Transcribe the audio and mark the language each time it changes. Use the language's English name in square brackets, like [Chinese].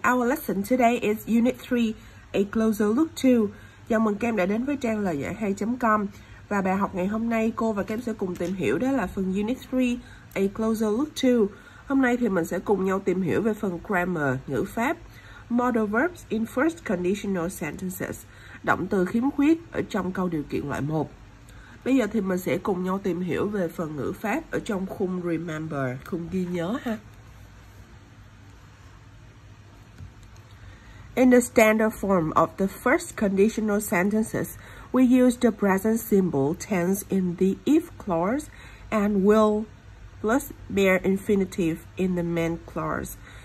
[English] Our lesson today is Unit 3, A Closer Look 2. [Vietnamese] Chào mừng các em đã đến với trang LoiDaiHay.com. Và bài học ngày hôm nay, cô và các em sẽ cùng tìm hiểu đó là phần Unit 3, A Closer Look 2. Hôm nay thì mình sẽ cùng nhau tìm hiểu về phần grammar, ngữ pháp, [English] modal verbs in first conditional sentences, [Vietnamese] động từ khiếm khuyết ở trong câu điều kiện loại 1. Bây giờ thì mình sẽ cùng nhau tìm hiểu về phần ngữ pháp ở trong khung remember, khung ghi nhớ ha. [English] In the standard form of the first conditional sentences, we use the present simple tense in the if clause and will plus bare infinitive in the main clause.